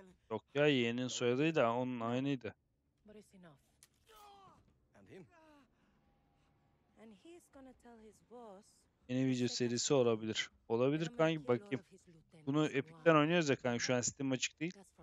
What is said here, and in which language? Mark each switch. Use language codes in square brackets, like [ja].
[tr] Yok ya, yeğenin soyadıydı, onun aynıydı. [en] But it's enough. And him? And he's gonna tell his boss. [tr] Yeni video serisi olabilir. Olabilir kanki, bakayım. Bunu Epic'ten oynuyoruz ya kanki, şu an Steam açık değil.